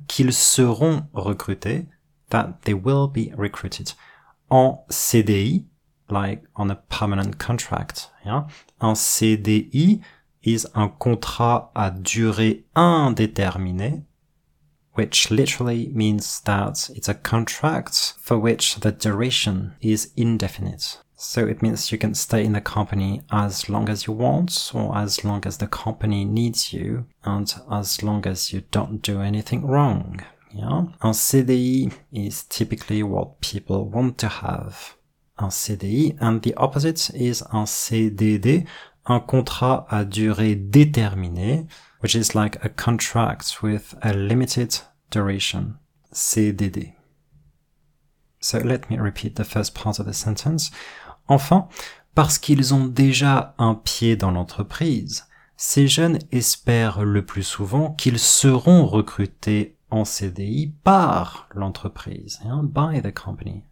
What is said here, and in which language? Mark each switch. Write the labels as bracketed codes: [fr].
[fr] Qu'ils seront recrutés. [en] That they will be recruited en CDI, like on a permanent contract. Yeah? Un CDI is [fr] un contrat à durée indéterminée, [en] which literally means that it's a contract for which the duration is indefinite. So it means you can stay in the company as long as you want, or as long as the company needs you, and as long as you don't do anything wrong. Yeah. Un CDI is typically what people want to have. Un CDI, and the opposite is un CDD, [fr] un contrat à durée déterminée, [en] which is like a contract with a limited duration, CDD. So let me repeat the first part of the sentence. [fr] Enfin, parce qu'ils ont déjà un pied dans l'entreprise, ces jeunes espèrent le plus souvent qu'ils seront recrutés en CDI par l'entreprise, [en] yeah, by the company.